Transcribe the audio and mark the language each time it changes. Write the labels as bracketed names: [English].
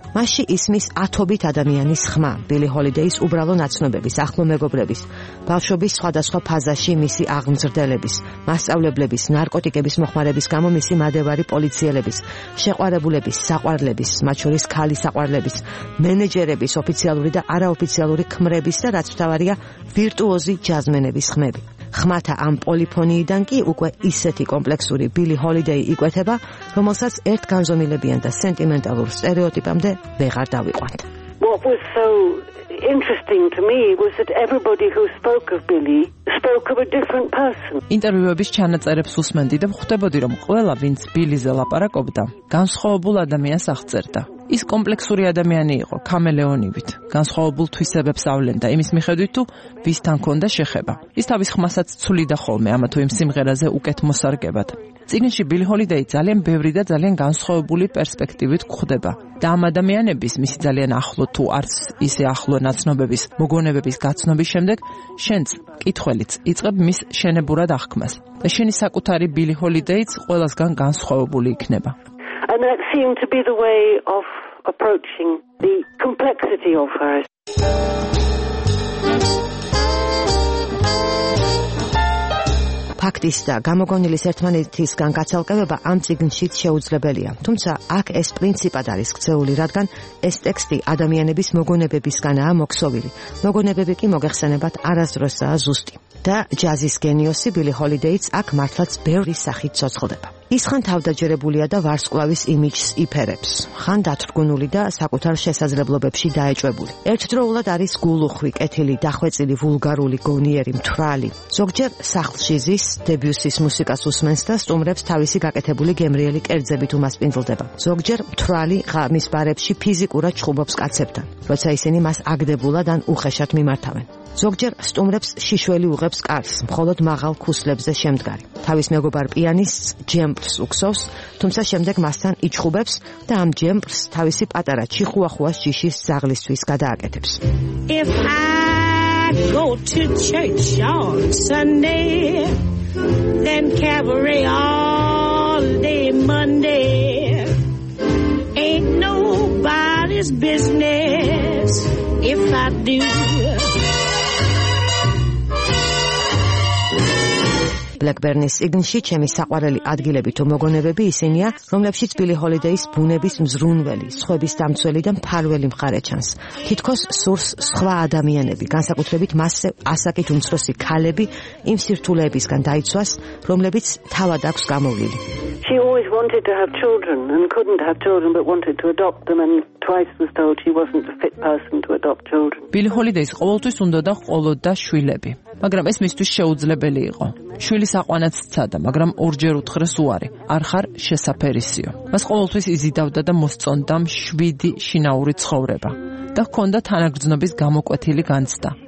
[Georgian] მასში ისმის ათობით ადამიანის ხმა, ბილი ჰოლიდეის უბრალო ნაცნობების, ახლო მეგობრების, ბავშვობის სხვადასხვა ფაზაში მისი აღმზრდელების, მასწავლებლების, ნარკოტიკების მოხმარების გამო მისი მადევარი პოლიციელების, შეყვარებულების, საყვარლების, მათ შორის ქალის საყვარლების, მენეჯერების ოფიციალური და არაოფიციალური ხმების და რაც თავარია ვირტუოზი ჯაზმენების ხმები. ხმათა ამ პოლიფონიიდან კი უკვე ისეთი კომპლექსური ბილი ჰოლიდეი იკვეთება, რომელსაც ერთ განზომილებიან და სენტიმენტალურ სტერეოტიპამდე ვეღარ დავიყვანთ. [English] What was so interesting to me was that everybody who spoke of Billy spoke of a different person. [Georgian] ინტერვიუების ჩანაწერებს უსმენდი და ხვდებოდი, რომ ყველა, ვინც ბილიზე ლაპარაკობდა, განსხვავებულ ადამიანს აღწერდა. ის კომპლექსური ადამიანი იყო, ქამელეონივით. განსხვავებულ თვისებებს ავლენდა იმის მიხედვით, თუ ვისთან ჰქონდა შეხება. ის თავის ხმასაც ცვლიდა ხოლმე ამა თუ იმ სიმღერაზე უკეთ მოსარგებად. წიგნში ბილი ჰოლიდეი ძალიან ბევრი და ძალიან განსხვავებული პერსპექტივით გვხვდება. და ამ ადამიანების, მისი ძალიან ახლო თუ არც ისე ახლო ნაცნობების მოგონებების გაცნობის შემდეგ, შენც კითხველიც იწყებ მის შენებურად აღქმას. და შენი საკუთარი ბილი ჰოლიდეიც ყველასგან განსხვავებული იქნება. [English] And that seemed to be the way of approaching the complexity of her. [Georgian] ფაქტის და გამოგონილის ერთმანეთისგან გაცალკევება ამ წიგნშიც შეუძლებელია. თუმცა აქ ეს პრინციპად არის გრძეული, რადგან ეს ტექსტი ადამიანების მოგონებებისგანაა მოქსოვილი. მოგონებები კი მოგეხსენებათ არასდროსაა ზუსტი. და ჯაზის გენიოსი ბილი ჰოლიდეიც აქ მართლაც ბევრი სახით ცოცხლდება. ის ხან თავდაჯერებულია და ვარსკვლავის იმიჯს იფერებს, ხან დათრგუნული და საკუთარ შესაძლებლობებში დაეჭვებული. ერთდროულად არის გულუხვი, კეთილი, დახვეწილი, ვულგარული, გონიერი, მთვრალი. ზოგჯერ სახლში ზის, დებიუსის მუსიკას უსმენს და სტუმრებს თავისი გაკეთებული გემრიელი კერძებით უმასპინძლდება. ზოგჯერ მთვრალი ღამის ბარებში ფიზიკურად ჩხუბობს კაცებთან, როცა ისინი მას აგდებულად ან უხეშად მიმართავენ. ზოგჯერ სტუმრებს შიშველი უღებს კარს, მხოლოდ მაღალ ქუსლებზე შემდგარი. თავის მეგობარ პიანისტს ჯემპს უქსოვს, თუმცა შემდეგ მასთან იჩხუბებს და ამ ჯემპს თავისი პატარა ჩიხუახუას ჯიშის ზაღლისთვის გადააკეთებს. [English] If I go to church on Sunday, then cavalry all day Monday. Ain't nobody's business if I do. [Georgian] Blackburnის ციგნში ჩემი საყვარელი ადგილები თუ მოგონებები ისინია, რომლებშიც ბილი ჰოლიდეის ბუნების მზრუნველი, სხვების დამცველი და მფარველი მხარე ჩანს. თითქოს სურს სხვა ადამიანები, განსაკუთრებით მასზე ასაკით უმცროსი ქალები, იმ სირთულეებისგან დაიცვას, რომლებიც თავად აქვს გამოვლილი. [English] She always wanted to have children and couldn't have children but wanted to adopt them and twice was told she wasn't a fit person to adopt children. [Georgian] ბილი ჰოლიდეის ყოველთვის უნდა და ყოლოდა შვილები. მაგრამ ეს მისთვის შეუძლებელი იყო. შვილის აყვანაც ცადა, მაგრამ ორჯერ უთხრეს უარი. არ ხარ შესაფერისიო. მას ყოველთვის იზიდავდა და მოსწონდა შვიდი შინაური ცხოვრება და ჰქონდა თანაგრძნობის გამოკვეთილი განცდა.